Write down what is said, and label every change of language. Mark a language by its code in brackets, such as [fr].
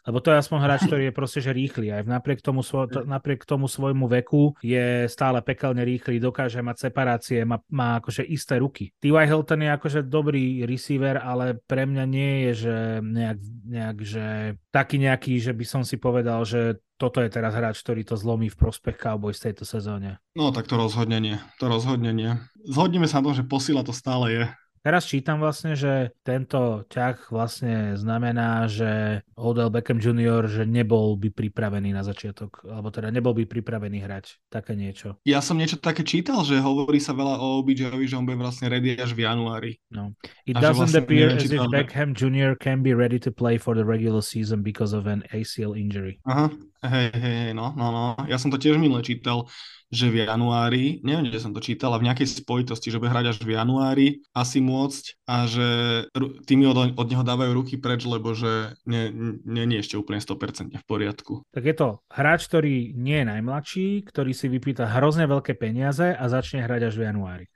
[sk] Lebo to je aspoň hráč, ktorý je proste, že rýchly. Aj napriek tomu svojmu veku je stále pekelne rýchly, dokáže mať separácie, má akože isté ruky. T.Y. Hilton je akože dobrý receiver, ale pre mňa nie je, že nejak že taký nejaký, že by som si povedal, že toto je teraz hráč, ktorý to zlomí v prospech Cowboys z tejto sezóne. No tak to rozhodne nie, to rozhodne nie. Zhodneme sa na tom, že posila to stále je. Teraz čítam vlastne, že tento ťah vlastne znamená, že Odell Beckham Jr., že nebol by pripravený na začiatok, alebo teda nebol by pripravený hrať také niečo. Ja som niečo také čítal, že hovorí sa veľa o OBJ-ovi, že on bude vlastne ready až v januári. No. [en] It doesn't [sk] vlastne [en] appear [sk] neviem, [en] as if Beckham Jr. can be ready to play for the regular season because of an ACL injury. [sk] Aha. Hej, no. Ja som to tiež minule čítal, že v januári, neviem, kde som to čítal, a v nejakej spojitosti, že bude hrať až v januári, asi môcť, a že tými od neho dávajú ruky preč, lebo že nie ešte úplne 100% v poriadku. Tak je to hráč, ktorý nie je najmladší, ktorý si vypýta hrozne veľké peniaze a začne hrať až v januári.